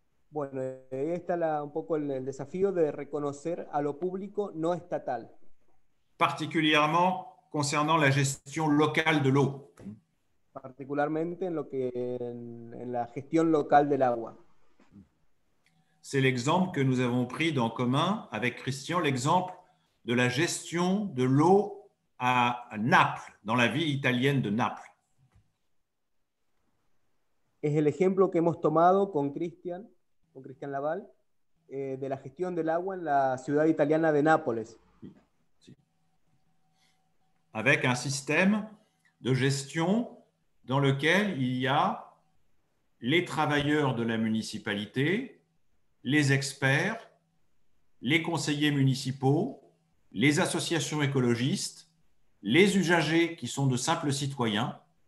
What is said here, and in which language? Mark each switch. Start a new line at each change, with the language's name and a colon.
Spanish: Bueno, ahí está un poco el desafío de reconocer a lo público no estatal.
French: Particulièrement concernant la gestion locale de l'eau.
Spanish: Particularmente en la gestión local del agua.
French: C'est l'exemple que nous avons pris dans commun avec Christian, l'exemple de la gestion de l'eau à Naples, dans la ville italienne de Naples.
Spanish: Es el ejemplo que hemos tomado con Cristian Laval, de la gestión del agua en la ciudad italiana de Nápoles. Sí.
French: Avec un système de gestion dans lequel il y a les travailleurs de la municipalité, les experts, les conseillers municipaux, les associations écologistes, les usagers qui sont de simples citoyens.